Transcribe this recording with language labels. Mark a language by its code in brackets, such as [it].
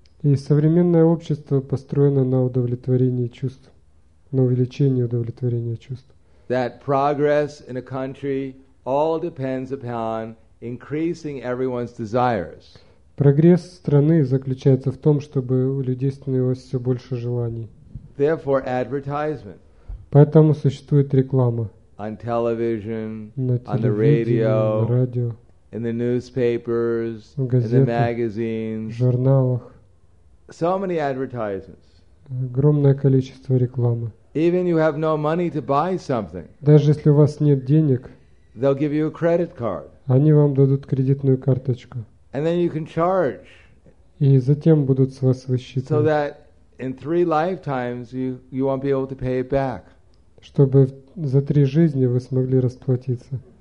[ru] И современное общество построено на удовлетворении чувств, на увеличении удовлетворения чувств. [en] That progress in a country all depends upon increasing everyone's desires. [ru] Прогресс страны заключается в том, чтобы у людей становилось все больше желаний. [en] Therefore, advertisement. [ru] Поэтому существует реклама. [en] On television, on the radio, [ru] на радио, [en] in the newspapers, [ru] в газетах, [en] in the magazines, [ru] в журналах. [en] So many advertisements. [ru] Огромное количество рекламы. [en] Even you have no money to buy something. [ru] Даже если у вас нет денег, [en] they'll give you a credit card. [ru] Они вам дадут кредитную карточку. [en] And then you can charge. [ru] И затем будут с вас высчитывать. [en] So that in three lifetimes you won't be able to pay it back. [ru] Чтобы за три жизни вы смогли расплатиться.